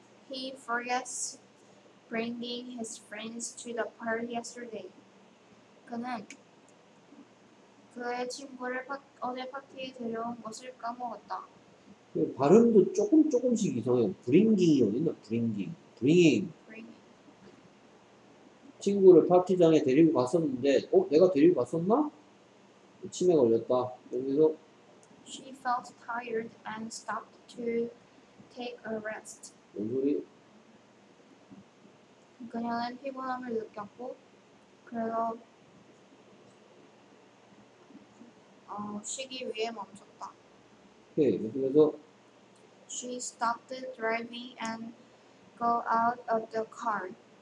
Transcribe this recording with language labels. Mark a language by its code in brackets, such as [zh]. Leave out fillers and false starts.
[en] He forgets bringing his friends to the party yesterday. [ko] 그는 그의 친구를 어제 파티에 데려온 것을 까먹었다. 그 발음도 조금씩 이상해요. Bringing이 어딨나? Bringing. Bringing. 친구를 파티장에 데리고 갔었는데, 어? 내가 데리고 갔었나? 치매 걸렸다. 여기서 [en] She felt tired and stopped to take a rest. [ko] 얼굴이 그녀는 피곤함을 느꼈고 그래서 쉬기 위해 멈췄다. 네, 그래서 [en] She stopped driving and got out of the car.